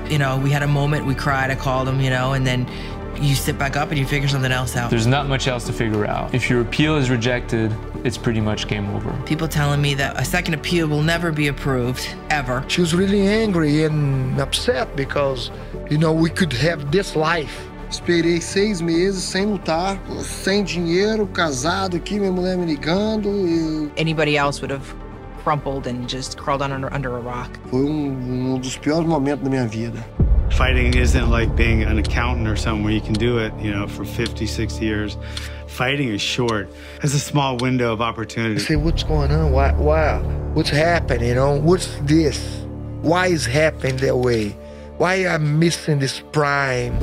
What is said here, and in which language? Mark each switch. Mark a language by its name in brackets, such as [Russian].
[English] You know, we had a moment, we cried, I called him, you know, and then you sit back up and you figure something else out. There's not much else to figure out. If your appeal is rejected, it's pretty much game over. People telling me that a second appeal will never be approved, ever. She was really angry and upset because, you know, we could have this life. [Portuguese] Esperei 6 meses sem lutar, sem dinheiro, casado, aqui minha mulher me ligando. E [English] anybody else would have crumpled and just crawled under a rock. [Portuguese] Foi um dos piores momentos da minha vida. [English] Fighting isn't like being an accountant or something where you can do it, you know, for 50, 60 years. Fighting is short. It's a small window of opportunity. You say, what's going on? Why? What's happening? You know? What's this? Why is happening that way? Why am I missing this prime?